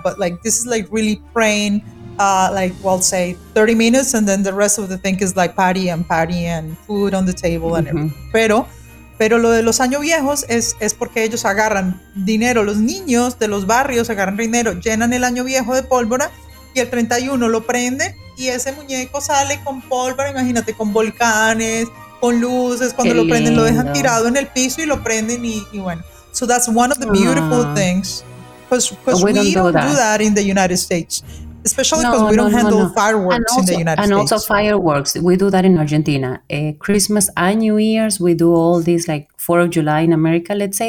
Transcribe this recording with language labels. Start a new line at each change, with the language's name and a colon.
English: But like, this is like really praying, like, well, say 30 minutes, and then the rest of the thing is like party and food on the table and everything.
Spanish: Pero lo de los años viejos es porque ellos agarran dinero. Los niños de los barrios agarran dinero, llenan el año viejo de pólvora y el 31 lo prenden y ese muñeco sale con pólvora, imagínate, con volcanes, con luces. Cuando lo prenden, lo dejan tirado en el piso y lo prenden y bueno.
English: So that's one of the beautiful things. Because we don't do that in the United States. Especially because we don't handle fireworks also, in the United States. And also fireworks, we do that in Argentina. Christmas and New Year's, we do all this, like 4th of July in America, let's say.